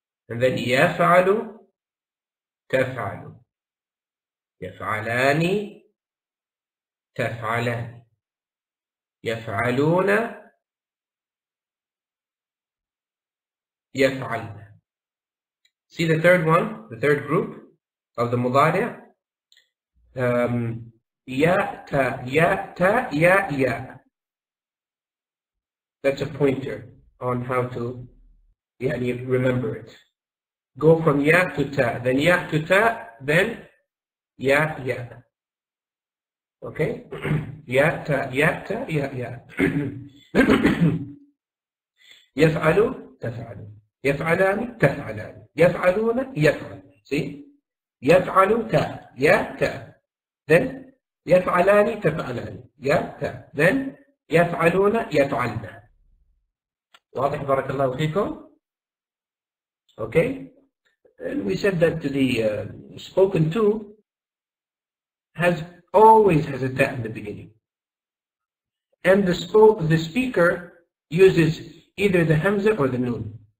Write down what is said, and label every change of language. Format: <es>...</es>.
<en>and then</en> <ar>يفعل تفعل يفعلان تفعلان يفعلون يفعلن</ar> <en>See the third one, the third group of the mudari. Ya ta ya ta ya ya. That's a pointer on how to remember it. Go from ya to ta, then ya to ta, then ya ya. Okay? Ya ta ya ta ya ya.</en> <ar>يفعل تفعل يفعلان تفعلان يفعلون يفعل. See, يفعل تا يا تا, then يفعلان تفعلان يا تا, then يفعلون يفعلن. واضح بارك الله فيكم.</ar> <en>Okay, and we said that the spoken to has always has a ta in the beginning, and the speaker uses either the Hamza or the Noon.</en>